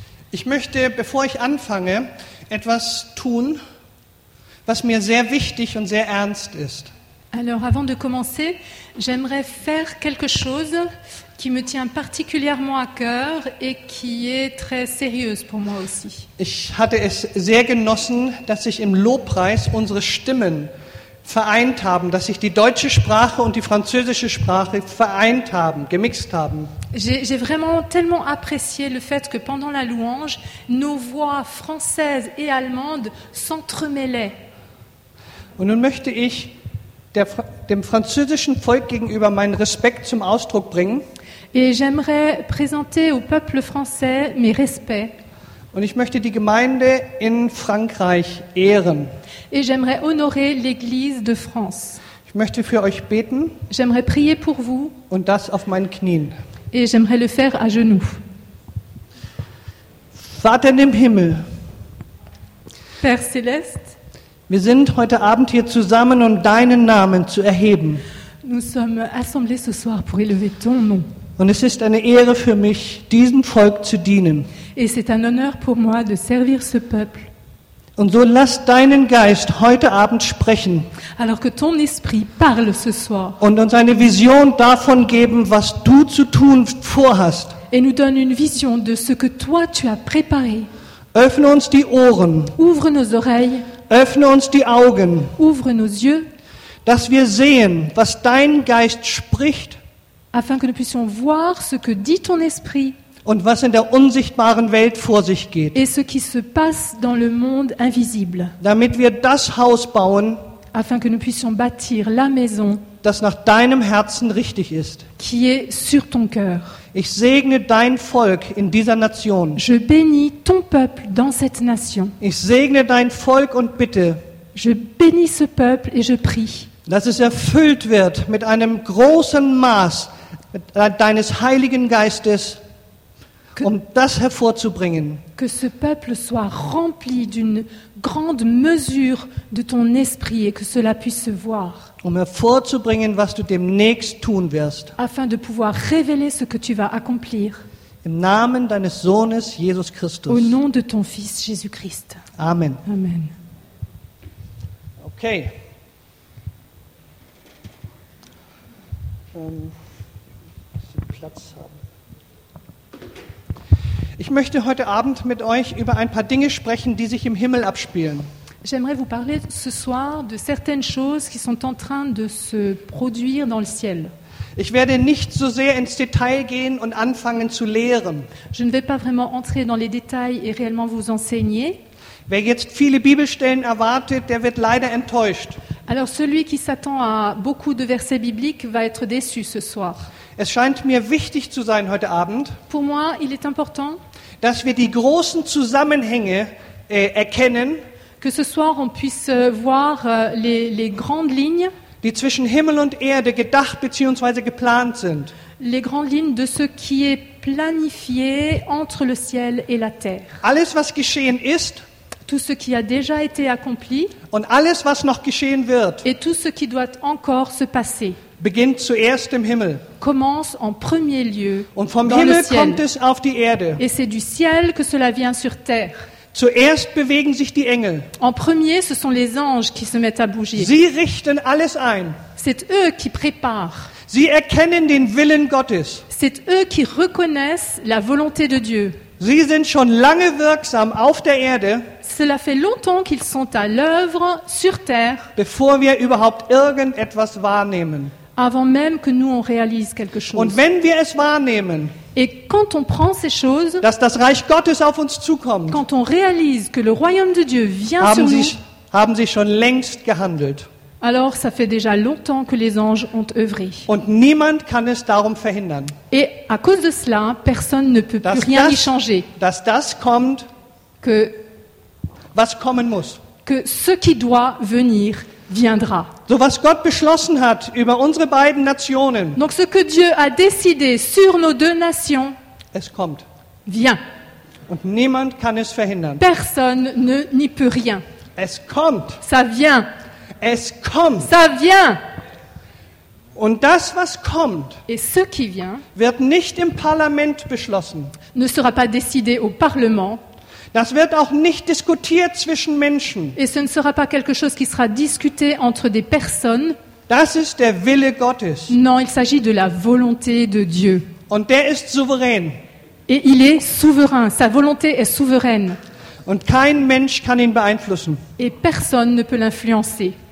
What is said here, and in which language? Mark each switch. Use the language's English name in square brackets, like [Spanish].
[German] Ich möchte, bevor ich anfange, etwas tun, was mir sehr wichtig und sehr ernst ist. [French] Alors avant de commencer, j'aimerais faire quelque chose qui me tient particulièrement à cœur et qui est très sérieuse pour moi aussi. [German] Ich hatte es sehr genossen, dass sich im Lobpreis unsere Stimmen vereint haben, dass sich die deutsche Sprache und die französische Sprache vereint haben, gemixt haben. [French] J'ai vraiment tellement apprécié le fait que pendant la louange, nos voix françaises et allemandes s'entremêlaient. [German] Und nun möchte ich dem französischen Volk gegenüber meinen Respekt zum Ausdruck bringen. [French] Et j'aimerais présenter au peuple français mes respects. [German] Und ich möchte die Gemeinde in Frankreich ehren. [French] Et j'aimerais honorer l'église de France. [German] Ich möchte für euch beten. [French] J'aimerais prier pour vous. [German] Und das auf meinen Knien. [French] Et j'aimerais le faire à genoux. [German] Vater im Himmel. [French] Père céleste. [German] Wir sind heute Abend hier zusammen, um deinen Namen zu erheben. [French] Nous sommes assemblés ce soir pour élever ton nom. [German] Und es ist eine Ehre für mich, diesem Volk zu dienen. [French] Et c'est un honneur pour moi de servir ce peuple. [German] Und so lass deinen Geist heute Abend sprechen. [French] Alors que ton esprit parle ce soir. [German] Und uns eine Vision davon geben, was du zu tun vorhast. [French] Et nous donne une vision de ce que toi tu as préparé. [German] Öffne uns die Ohren. [French] Ouvre nos oreilles. [German] Öffne uns die Augen. [French] Ouvre nos yeux. [German] Dass wir sehen, was dein Geist spricht. [French] Afin que nous puissions voir ce que dit ton esprit. [German] Und was in der unsichtbaren Welt vor sich geht. [French] Et ce qui se passe dans le monde invisible. [German] Damit wir das Haus bauen. [French] Afin que nous puissions bâtir la maison. [German] Das nach deinem Herzen richtig ist. [French] Qui est sur ton cœur. [German] Ich segne dein Volk in dieser Nation. [French] Je bénis ton peuple dans cette nation. [German] Ich segne dein Volk und bitte. [French] Je bénis ce peuple et je prie. [German] Dass es erfüllt wird mit einem großen Maß deines Heiligen Geistes. Um das hervorzubringen. [French] Que ce peuple soit rempli d'une grande mesure de ton esprit et que cela puisse se voir. [German] Um hervorzubringen, was du demnächst tun wirst. [French] Afin de pouvoir révéler ce que tu vas accomplir. [German] Im Namen deines Sohnes Jesus Christus. [French] Au nom de ton fils Jésus-Christ. [German] Amen. [French] Amen. [German] Okay. Platz haben. Ich möchte heute Abend mit euch über ein paar Dinge sprechen, die sich im Himmel abspielen. [French] J'aimerais vous parler ce soir de certaines choses qui sont en train de se produire dans le ciel. [German] Ich werde nicht so sehr ins Detail gehen und anfangen zu lehren. [French] Je ne vais pas vraiment entrer dans les détails et réellement vous enseigner. [German] Wer jetzt viele Bibelstellen erwartet, der wird leider enttäuscht. [French] Alors celui qui s'attend à beaucoup de versets bibliques va être déçu ce soir. [German] Es scheint mir wichtig zu sein heute Abend, [French] pour moi, il est important, [German] dass wir die großen Zusammenhänge erkennen, [French] que ce soir on puisse voir les grandes lignes, [German] die zwischen Himmel und Erde gedacht bzw. geplant sind. [French] Les grandes lignes de ce qui est planifié entre le ciel et la terre. [German] Alles was geschehen ist, [French] tout ce qui a déjà été accompli, [German] und alles was noch geschehen wird, [French] et tout ce qui doit encore se passer. [German] Beginnt zuerst im Himmel. [French] Commence en premier lieu. [German] Und vom Himmel kommt es auf die Erde. [French] Et c'est du ciel que cela vient sur terre. [German] Zuerst bewegen sich die Engel. [French] En premier, ce sont les anges qui se mettent à bouger. [German] Sie richten alles ein. [French] C'est eux qui préparent. [German] Sie erkennen den Willen Gottes. [French] C'est eux qui reconnaissent la volonté de Dieu. [German] Sie sind schon lange wirksam auf der Erde. [French] Cela fait longtemps qu'ils sont à l'œuvre sur terre. [German] Bevor wir überhaupt irgendetwas wahrnehmen. [French] Avant même que nous on réalise quelque chose. [German] Und wenn wir es wahrnehmen. [French] Et quand on prend ces choses, [German] dass das Reich Gottes auf uns zukommt. [French] Quand on réalise que le royaume de Dieu vient sur nous. [German] Haben sie schon längst gehandelt. [French] Alors ça fait déjà longtemps que les anges ont œuvré. [German] Und niemand kann es darum verhindern. [French] Et à cause de cela, personne ne peut plus rien y changer. [German] Dass das kommt, [French] que [German] was kommen muss. [French] Que ce qui doit venir viendra. [German] So was Gott beschlossen hat über unsere beiden Nationen. [French] Donc ce que Dieu a décidé sur nos deux nations. [German] Es kommt. [French] Vient. [German] Und niemand kann es verhindern. [French] Personne ne n'y peut rien. [German] Es kommt. [French] Ça vient. [German] Es kommt. [French] Ça vient. [German] Und das, was kommt, [French] et ce qui vient, [German] wird nicht im Parlament beschlossen. [French] Ne sera pas décidé au Parlement. [German] Das wird auch nicht diskutiert zwischen Menschen. [French] Et ce ne sera pas quelque chose qui sera discuté entre des personnes. [German] Das ist der Wille Gottes. [French] Non, il s'agit de la volonté de Dieu. [German] Und der ist souverän. [French] Et il est souverain. Sa volonté est souveraine. [German] Und kein Mensch kann ihn beeinflussen. [French] Et personne ne peut l'influencer.